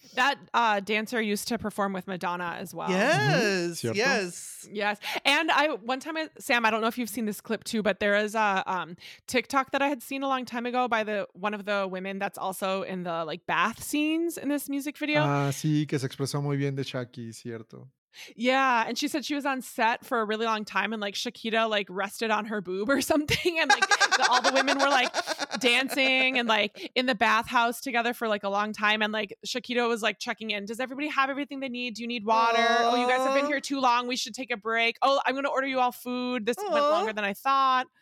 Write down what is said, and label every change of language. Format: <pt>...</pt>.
<en>That dancer used to perform with Madonna as well. Yes. Yes. Yes. And Sam, I don't know if you've seen this clip too, but there is a TikTok that I had seen a long time ago by one of the women that's also in the like bath scenes in this music video.</en> <es>Ah, sí, que se expresó muy bien de Shaki, cierto.</es> <en>Yeah, and she said she was on set for a really long time and like Shakira like rested on her boob or something, and like all the women were like dancing and like in the bathhouse together for like a long time, and like Shakira was like checking in, does everybody have everything they need, do you need water, Aww. Oh you guys have been here too long, we should take a break, oh I'm gonna order you all food, this Aww. Went longer than I thought.</en>